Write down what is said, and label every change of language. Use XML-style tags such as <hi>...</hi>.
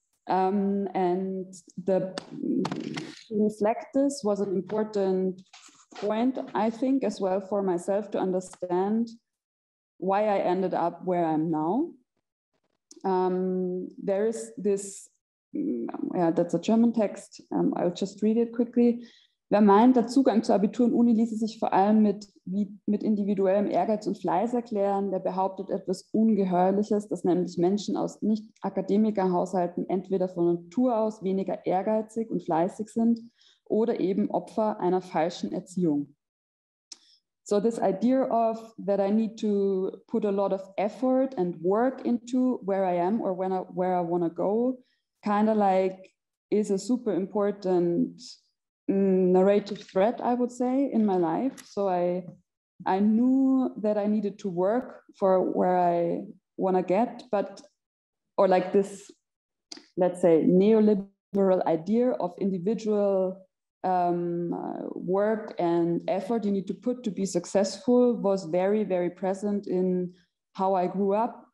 <en>And the reflect this was an important point, I think, as well for myself to understand why I ended up where I'm now. There is this, that's a German text, I'll just read it quickly.</en> <de>Wer meint, der Zugang zu Abitur und Uni ließe sich vor allem mit individuellem Ehrgeiz und Fleiß erklären, der behauptet etwas Ungeheuerliches, dass nämlich Menschen aus Nicht-Akademiker-Haushalten entweder von Natur aus weniger ehrgeizig und fleißig sind oder eben Opfer einer falschen Erziehung.</de> <en>So this idea of that I need to put a lot of effort and work into where I am or where I want to go, kind of like is a super important narrative thread, I would say, in my life. So I knew that I needed to work for where I want to get, but, or like this, let's say, neoliberal idea of individual work and effort you need to put to be successful was very, very present in how I grew up.</en>